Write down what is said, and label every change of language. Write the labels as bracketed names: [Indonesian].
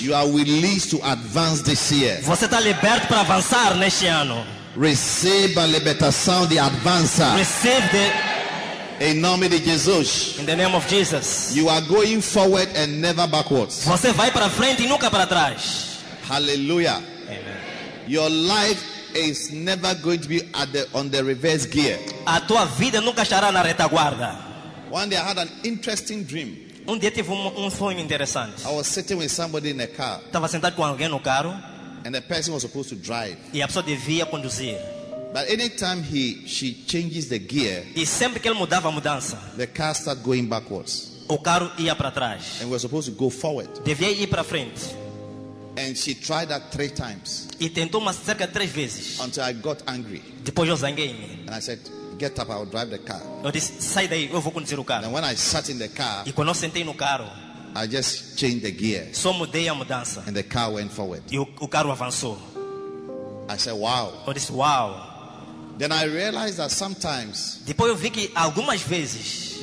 [English] You are released to advance this year. [Portuguese] Você está liberto para avançar neste ano. Receba a libertação de avançar. [English] Receive the [Portuguese] em nome de Jesus. [English] In the name of Jesus. You are going forward and never backwards. [Portuguese] Você vai para frente e nunca para trás. Hallelujah. Amen. [English] Your life is never going to be on the reverse gear. [Portuguese] A tua vida nunca estará na retaguarda. [English] One day I had an interesting dream. [Portuguese] Um dia tive um sonho interessante. [English] I was sitting with somebody in a car. [Portuguese] Estava sentado com alguém no carro. [English] And the person was supposed to drive. [Portuguese] E a pessoa devia conduzir. [English] But anytime she changes the gear, [Portuguese] e sempre que ele mudava a mudança, [English] the car started going backwards. [Portuguese] O carro ia para trás. [English] And we're supposed to go forward. [Portuguese] Devia ir para frente. [English] And she tried that 3 times. [Portuguese] E tentou umas cerca de 3 vezes. [English] Until I got angry. [Portuguese] Depois eu zanguei-me. [English] And I said, get up, I'll drive the car. [Portuguese] Eu disse, sai daí, eu vou conduzir o carro. [English] And when I sat in the car, [Portuguese] e quando eu sentei no carro, [English] I just changed the gear. [Portuguese] Só mudei a mudança. [English] And the car went forward. [Portuguese] E o carro avançou. [English] I said, wow. [Portuguese] Eu disse, wow. [English] Then I realized that sometimes, [Portuguese] depois eu vi que algumas vezes,